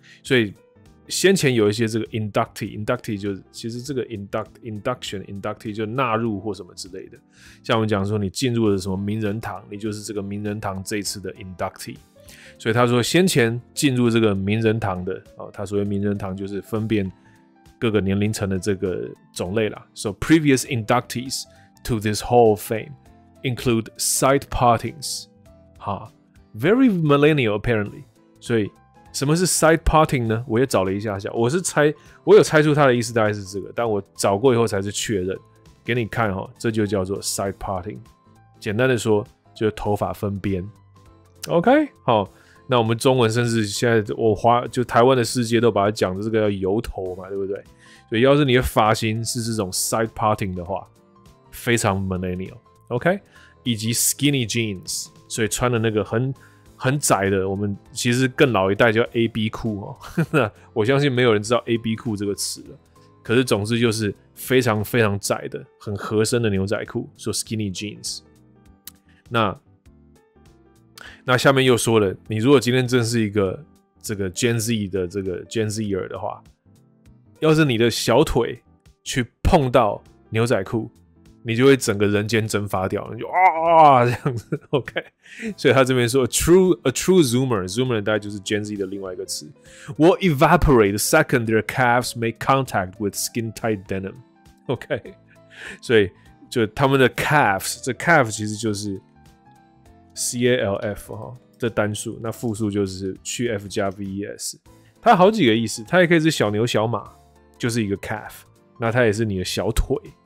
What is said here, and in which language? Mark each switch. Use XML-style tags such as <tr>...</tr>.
<zh>所以先前有一些这个 inductee 就是其实这个 inductee 就纳入或什么之类的，像我们讲说你进入了什么名人堂，你就是这个名人堂这次的 inductee。所以他说先前进入这个名人堂的、他所谓名人堂就是分辨各个年龄层的这个种类啦。</zh> <en>So previous inductees to this hall of fame include side partings、Very millennial, apparently.</en> <zh>所以什么是 side parting 呢？我也找了一下下，我是猜，我有猜出它的意思大概是这个，但我找过以后才是确认。给你看哦，这就叫做 side parting。简单的说，就是头发分边。 OK， 好，那我们中文甚至现在我华就台湾的世界都把它讲的这个叫油头嘛，对不对？所以要是你的发型是这种 side parting 的话，非常 millennial。 OK， 以及 skinny jeans。所以穿的那个很窄的，我们其实更老一代叫 AB 裤、我相信没有人知道 AB 裤这个词了，可是总之就是非常非常窄的很合身的牛仔裤，说 skinny jeans。那下面又说了，你如果今天真是一个这个 Gen Z 的这个 Gen Zer 的话，要是你的小腿去碰到牛仔裤，你就会整个人间蒸发掉，你就这样子 ，OK。所以他这边说</zh> <en>，a true zoomer</en> <zh>大概就是 Gen Z 的另外一个词</zh> <en>，will evaporate the second their calves make contact with skin tight denim。</en> <zh>OK， 所以就他们的 calves， 这 calf 其实就是 calf 哈、这单数，那复数就是去 f 加 ves， 它好几个意思，它也可以是小牛小马，就是一个 calf， 那它也是你的小腿。</zh>